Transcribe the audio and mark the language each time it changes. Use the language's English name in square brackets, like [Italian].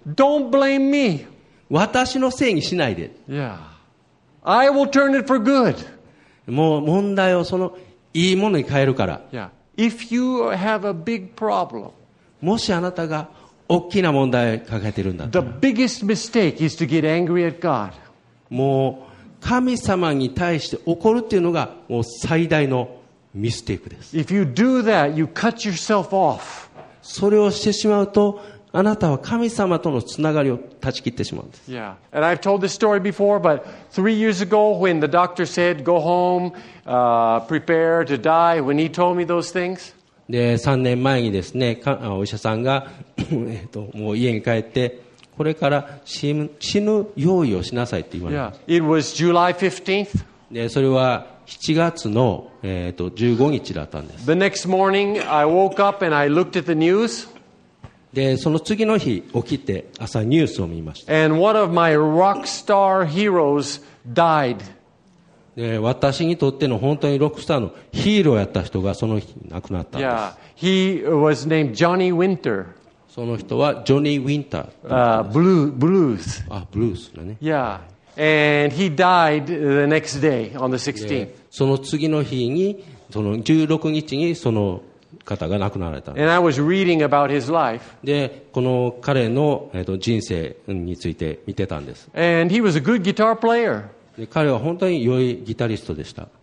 [English] Don't blame me. [Japanese] 私のせいにしないで。 [English] Yeah. I will turn it for good. [Japanese] もう問題をそのいいものに変えるから。 [English] Yeah. If you have a big problem, [Japanese] もしあなたが大きな問題を抱えているんだった [English] ら、The biggest mistake is to get angry at God. [Japanese] もう神様に対して怒るっていうのがもう最大のミステークです。 [English] If you do that, you cut yourself off. [Japanese] それをしてしまうと、あなたは神様とのつながりを断ち切ってしまうんです。 [English] Yeah. And I've told this story before, but 3 years ago when the doctor said, go home, prepare to die, when he told me those things. [Japanese] で、3年前にですね、お医者さんが、もう家に帰って、これから死ぬ用意をしなさいって言われました。 [English] Yeah. It was July 15th. [Japanese] で、それは、7月の、15日だったんです。 [English] The next morning, I woke up and I looked at the news. [Japanese] で、その次の日起きて朝ニュースを見ました。 [English] And one of my rock star heroes died. [Japanese] で、私にとっての本当にロックスターのヒーローやった人がその日亡くなったんです。 [English] Yeah, he was named Johnny Winter. [Japanese] その人はジョニー・ウィンター。ブルース。あ、ブルースだね。 [English] Yeah. And he died the next day on the 16th. [Japanese] その次の日に、その16日にその方が亡くなられた。 [English] And I was reading about his life. [Japanese] で、この彼の人生について見てたんです。 [English] And he was a good guitar player. [Japanese] で、彼は本当に良いギタリストでした。